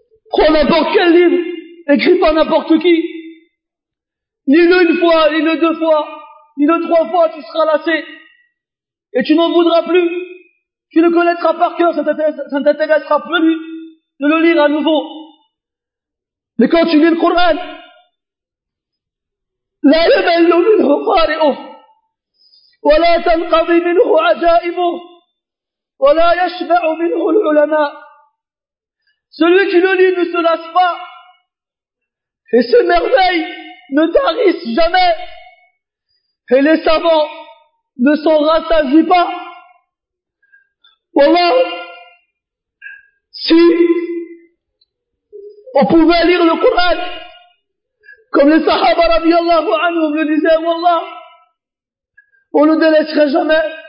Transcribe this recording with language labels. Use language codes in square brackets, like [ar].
[fr] Prends n'importe quel livre, écrit par n'importe qui. Lis-le une fois, lis-le deux fois, lis-le trois fois, tu seras lassé. Et tu n'en voudras plus. Tu le connaîtras par cœur, ça ne t'intéressera plus de le lire à nouveau. Mais quand tu lis le Coran, [ar] لا يمل منه قارئه ولا تنقضي منه عجائبه ولا يشبع منه العلماء. [fr] Celui qui le lit ne se lasse pas et se merveille, ne tarisse jamais. Et les savants ne s'en rassasie pas. Wallah, si on pouvait lire le Coran, comme les Sahaba radiallahu anhum le disaient, wallah, on ne délaisserait jamais.